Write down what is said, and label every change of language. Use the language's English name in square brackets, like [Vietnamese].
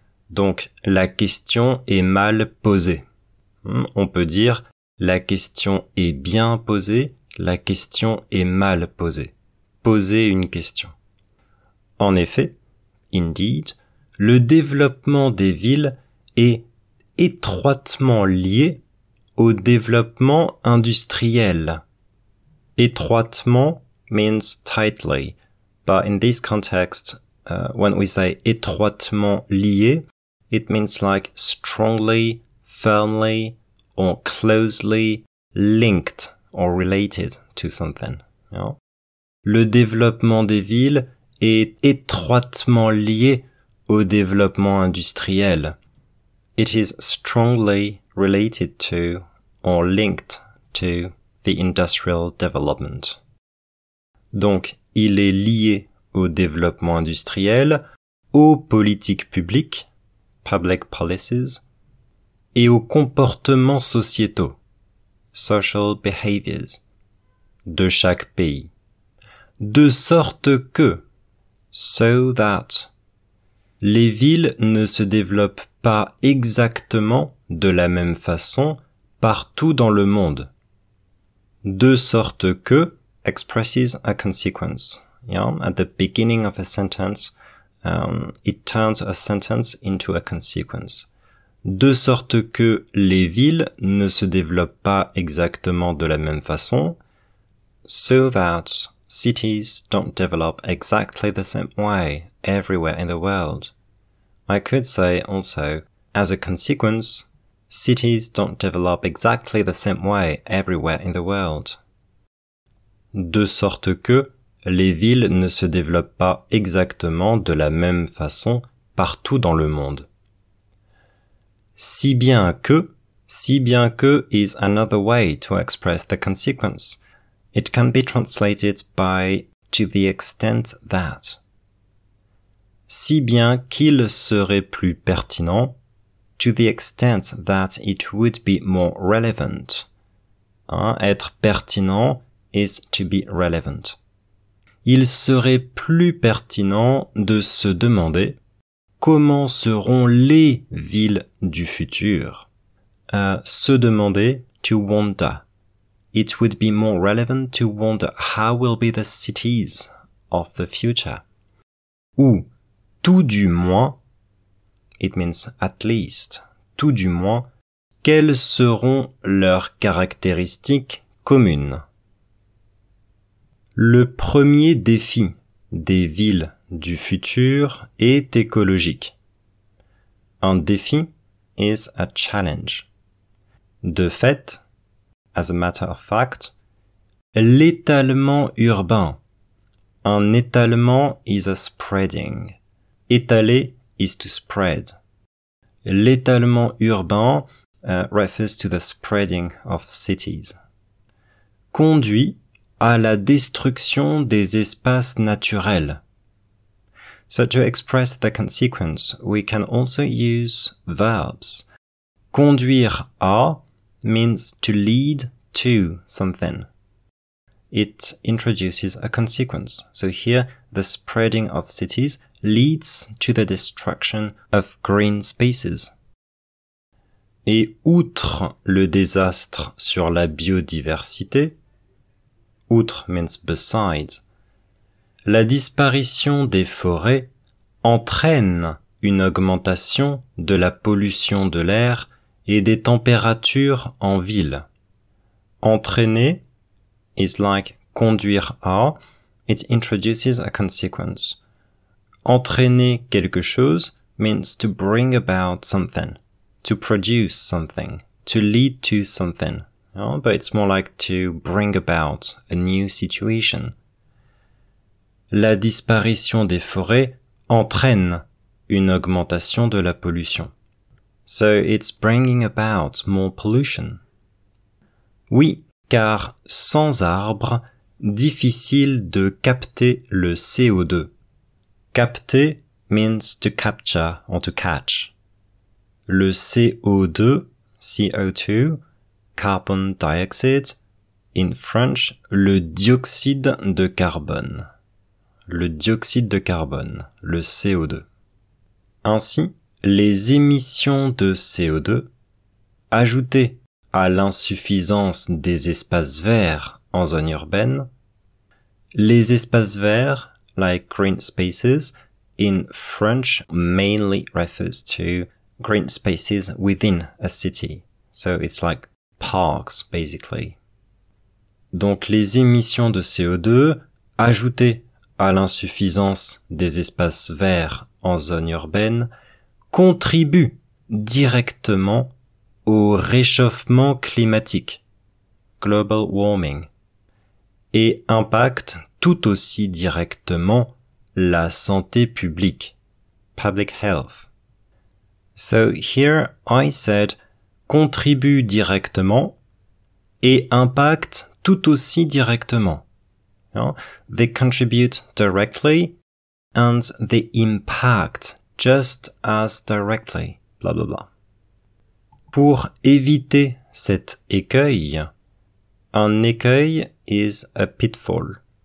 [French] Donc, la question est mal posée. On peut dire la question est bien posée, la question est mal posée. Poser une question. En effet, [English] indeed, [French] le développement des villes est étroitement lié au développement industriel. [English] Étroitement means tightly, but in this context, when we say [French] étroitement lié, [English] it means like strongly, firmly, or closely linked or related to something. You know? [French] Le développement des villes est étroitement lié au développement industriel. [English] It is strongly related to or linked to the industrial development. [French] Donc, il est lié au développement industriel, aux politiques publiques, [English] public policies, [French] et aux comportements sociétaux, [English] social behaviors, [French] de chaque pays. De sorte que, [English] so that, [French] les villes ne se développent pas exactement de la même façon partout dans le monde. De sorte que, [English] expresses a consequence. Yeah? At the beginning of a sentence, it turns a sentence into a consequence. [French] De sorte que les villes ne se développent pas exactement de la même façon. [English] So that cities don't develop exactly the same way everywhere in the world. I could say also, as a consequence, cities don't develop exactly the same way everywhere in the world. [French] De sorte que les villes ne se développent pas exactement de la même façon partout dans le monde. Si bien que [English] is another way to express the consequence. It can be translated by to the extent that. [French] Si bien qu'il serait plus pertinent, [English] to the extent that it would be more relevant. [French] Hein, être pertinent [English] is to be relevant. [French] Il serait plus pertinent de se demander comment seront les villes du futur? Se demander, [English] to wonder. It would be more relevant to wonder how will be the cities of the future. [French] Ou, tout du moins, [English] it means at least, [French] tout du moins, quelles seront leurs caractéristiques communes? Le premier défi des villes du futur est écologique. Un défi [English] is a challenge. [French] De fait, [English] as a matter of fact, [French] l'étalement urbain. Un étalement [English] is a spreading. [French] Étaler [English] is to spread. [French] L'étalement urbain [English] refers to the spreading of cities. [French] Conduit à la destruction des espaces naturels. [English] So to express the consequence, we can also use verbs. [French] Conduire à [English] means to lead to something. it introduces a consequence. So here, the spreading of cities leads to the destruction of green spaces. [French] Et outre le désastre sur la biodiversité, [English] outre means besides, [French] la disparition des forêts entraîne une augmentation de la pollution de l'air et des températures en ville. Entraîner [English] is like [French] conduire à, [English] it introduces a consequence. [French] Entraîner quelque chose [English] means to bring about something, to produce something, to lead to something, you know? But it's more like to bring about a new situation. [French] La disparition des forêts entraîne une augmentation de la pollution. [English] So it's bringing about more pollution. [French] Oui, car sans arbres, difficile de capter le CO2. Capter [English] means to capture or to catch. [French] Le CO2, CO2, [English] carbon dioxide, in French, [French] le dioxyde de carbone. Le dioxyde de carbone, le CO2. Ainsi, les émissions de CO2, ajoutées à l'insuffisance des espaces verts en zone urbaine, les espaces verts, [English] like green spaces, in French, mainly refers to green spaces within a city. So it's like parks, basically. [French] Donc les émissions de CO2, ajoutées à l'insuffisance des espaces verts en zone urbaine, contribuent directement au réchauffement climatique, [English] global warming, [French] et impactent tout aussi directement la santé publique, [English] public health. So here I said [French] contribue directement et impacte tout aussi directement. [English] You know? They contribute directly and they impact just as directly, blah blah blah. [French] Pour éviter cet écueil, un écueil [English] is a pitfall.